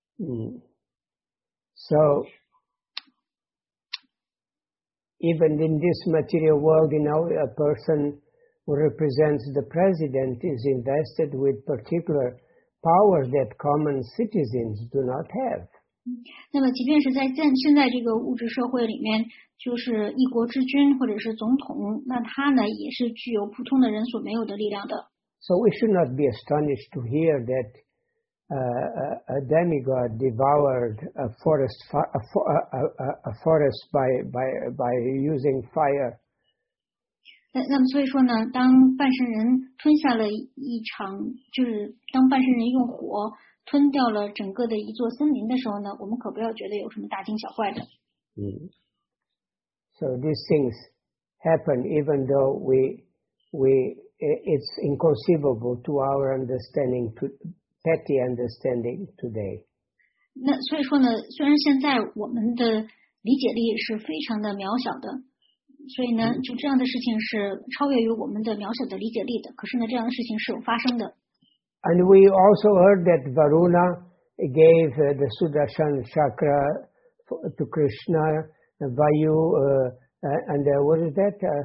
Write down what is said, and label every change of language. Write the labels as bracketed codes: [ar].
[en] So even in this material world, you know, a person who represents the president is invested with particular powers that common citizens do not have. [zh] 那么即便是在现在这个物质社会里面，就是一国之君或者是总统，那他呢也是具有普通的人所没有的力量的。 [en] So we should not be astonished to hear that a demigod devoured a forest by using fire. [zh] 那么所以说呢，当半神人吞下了一场，就是当半神人用火吞掉了整个的一座森林的时候呢，我们可不要觉得有什么大惊小怪的。 [en] So these things happen even though we it's inconceivable to our understanding to. Petty understanding today. [zh] 那所以说呢，虽然现在我们的理解力是非常的渺小的，所以呢，就这样的事情是超越于我们的渺小的理解力的。可是呢，这样的事情是有发生的。 [en] And we also heard that Varuna gave the Sudarshan Chakra to Krishna, Vayu, and what is that?